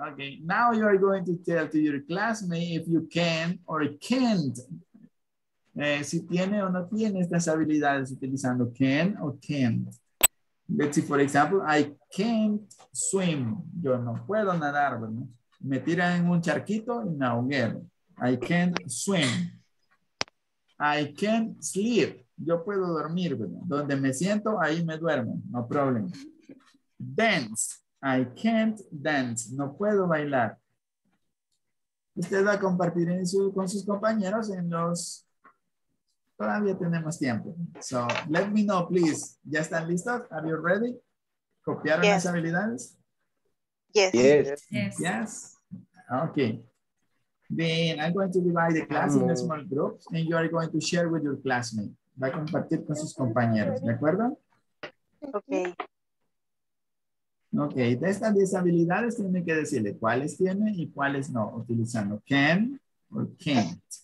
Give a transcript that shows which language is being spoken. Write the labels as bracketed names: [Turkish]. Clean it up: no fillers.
[English] Okay, now you are going to tell to your classmate if you can or can't. [Spanish] Si tiene o no tiene estas habilidades utilizando can o can't. [English] Let's see, for example, I can't swim. [Spanish] Yo no puedo nadar, ¿verdad? Me tiran en un charquito y me ahogué. [English] I can't swim. I can't sleep. [Spanish] Yo puedo dormir, ¿verdad? Donde me siento, ahí me duermo. [English] No problem. Dance. I can't dance. [Spanish] No puedo bailar. Usted va a compartir en su, con sus compañeros en los... Todavía tenemos tiempo. [English] So, let me know, please. [Spanish] ¿Ya están listos? [English] Are you ready? [Spanish] ¿Copiaron las habilidades? [English] Yes. Yes. Yes. Okay. Then I'm going to divide the class in small groups and you are going to share with your classmates. [Spanish] Va a compartir con sus compañeros, ¿de acuerdo? [English] Okay. [Spanish] Okay, de estas 10 habilidades tienen que decirle cuáles tiene y cuáles no, utilizando can or can't.